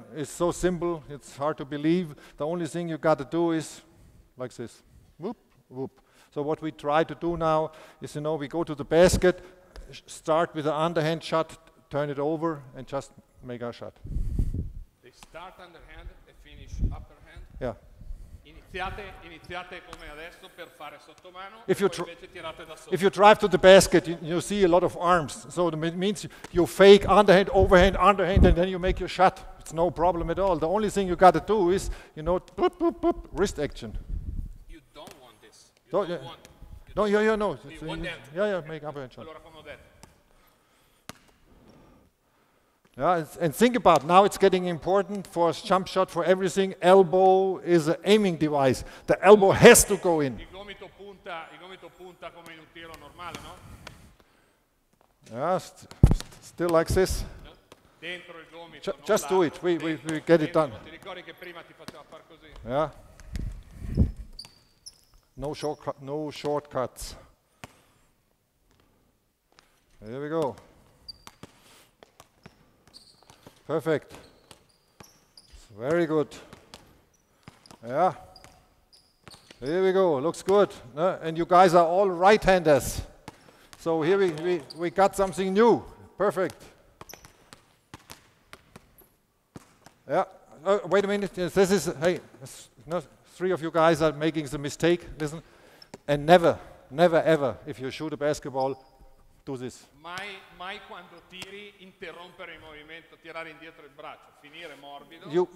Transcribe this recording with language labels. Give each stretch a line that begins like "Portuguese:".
English: It's so simple, it's hard to believe. The only thing you got to do is like this. Whoop, whoop. So what we try to do now is, you know, we go to the basket, start with the underhand shot, turn it over, and just make our shot. They start underhand and finish upperhand? Yeah.
Italian: Iniziate come adesso per fare sottomano, e poi invece tirate da sotto.
English: If you drive to the basket, you see a lot of arms. So it means you fake underhand, overhand, underhand, and then you make your shot. It's no problem at all. The only thing you got to do is, you know, boop, boop, boop, wrist action. You don't want this. You don't want. No. You want that. Yeah, make upper hand shot.
Italian: Allora fanno
English: that. Yeah, and think about, now it's getting important for a jump shot, for everything. Elbow is an aiming device. The elbow has to go in.
Italian: Il gomito punta come in un tiro normale, no?
English: Yeah, still like this.
Italian: Dentro il gomito,
English: just do it. We get it done.
Italian: Ti ricordi che prima ti faceva far così?
English: Yeah. No shortcuts. Here we go. Perfect. Very good. Yeah. Here we go. Looks good. And you guys are all right-handers. So here we got something new. Perfect. Yeah. Wait a minute. This is, hey, three of you guys are making the mistake. Listen, and never, ever, if you shoot a basketball, do this.
Italian: Mai quando tiri, interrompere il movimento, tirare indietro il braccio, finire morbido.